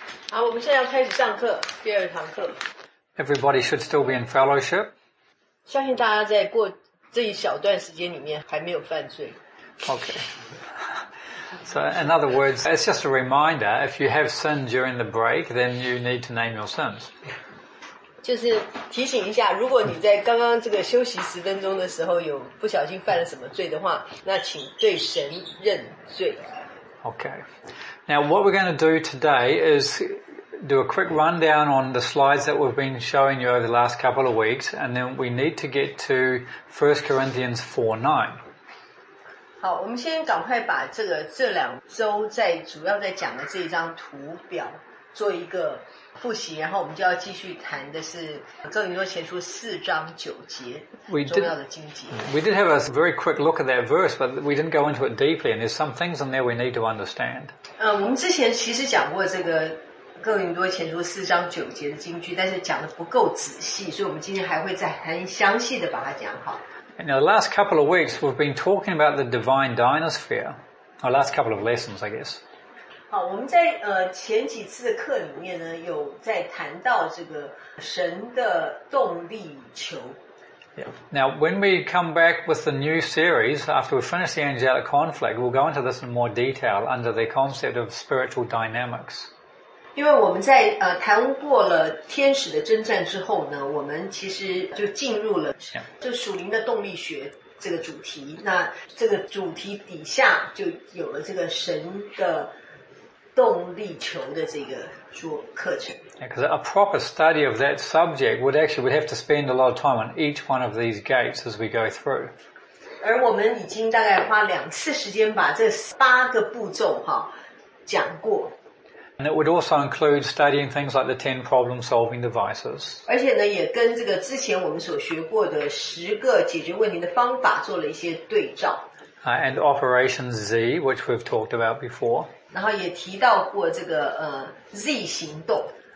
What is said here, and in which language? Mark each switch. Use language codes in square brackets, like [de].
[zh] 好，我们现在要开始上课，第二堂课。 [en] Everybody should still be in fellowship. [zh] 相信大家在过这一小段时间里面还没有犯罪。 [en] Okay. So in other words, it's just a reminder, if you have sinned during the break, then you need to name your sins. [zh] 就是提醒一下，如果你在刚刚这个休息十分钟的时候有不小心犯了什么罪的话，那请对神认罪。 [en] Okay. Now what we're going to do today is do a quick rundown on the slides that we've been showing you over the last couple of weeks, and then we need to get to 1 Corinthians 4:9. [zh] 好，我们先赶快把这两周在主要在讲的这一张图表做一个复习，然后我们就要继续谈的是哥林多前书四章九节重要的经节。 [en] We did have a very quick look at that verse, but we didn't go into it deeply, and there's some things in there we need to understand. [zh] 我们之前其实讲过这个哥林多前书四章九节的经句，但是讲的不够仔细，所以我们今天还会再很详细的把它讲好。 [en] Now, the last couple of weeks, we've been talking about the divine dynosphere, our last couple of lessons, I guess. [zh] 好，我们在前几次的课里面呢，有在谈到这个神的动力球。 [en] Yeah. Now, when we come back with the new series, after we finish the angelic conflict, we'll go into this in more detail under the concept of spiritual dynamics. [zh] 因为我们在谈过了天使的征战之后呢，我们其实就进入了就属灵的动力学。这个主题，那这个主题底下就有了这个神的动力球的这个课程。 [en] Yeah, because a proper study of that subject would have to spend a lot of time on each one of these gates as we go through. [zh] 而我们已经大概花两次时间把这八个步骤讲过。 [en] And it would also include studying things like the 10 problem-solving devices. [zh] 而且呢，也跟这个之前我们所学过的十个解决问题的方法做了一些对照。 [en] And Operation Z, which we've talked about before. [zh] 然后也提到过这个Z 行动。